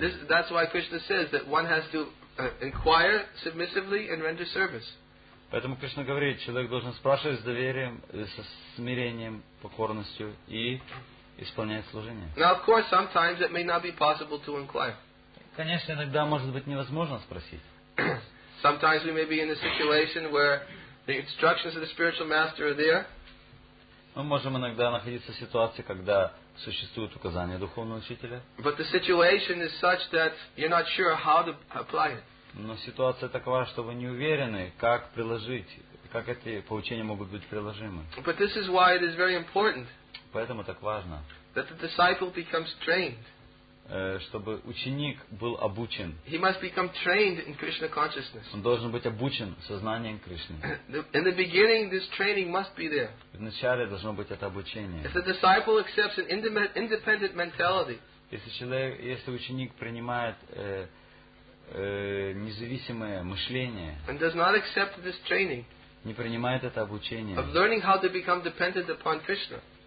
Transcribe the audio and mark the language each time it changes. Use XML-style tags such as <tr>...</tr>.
<en>And that's why Krishna says that one has to inquire submissively and render service.</en> <ru>Поэтому Кришна говорит, человек должен спрашивать с доверием, со смирением, покорностью и исполнять служение.</ru> <en>Now, of course, sometimes it may not be possible to inquire.</en> <ru>Конечно, иногда может быть невозможно спросить.</ru> <en>Sometimes we may be in a situation where the instructions of the spiritual master are there.</en> <ru>Мы можем иногда находиться в ситуации, когда существуют указания духовного учителя.</ru> <en>But the situation is such that you're not sure how to apply it.</en> <ru>Но ситуация такова, что вы не уверены, как приложить, как эти поучения могут быть приложимы.</ru> <en>But this is why it is very important.</en> <ru>Поэтому так важно.</ru> <en>That the disciple becomes trained.</en> <ru>Чтобы ученик был обучен.</ru> <en>He must become trained in Krishna consciousness.</en> <ru>Он должен быть обучен сознанием Кришны.</ru> <en>In the beginning, this training must be there.</en> <ru>Вначале должно быть это обучение.</ru> <en>If the disciple accepts an independent mentality.</en> <ru>Если ученик принимает независимое мышление.</ru> <en>And does not accept this training.</en> <ru>Не принимает это обучение.</ru> <en>Of learning how to become dependent upon Krishna.</en>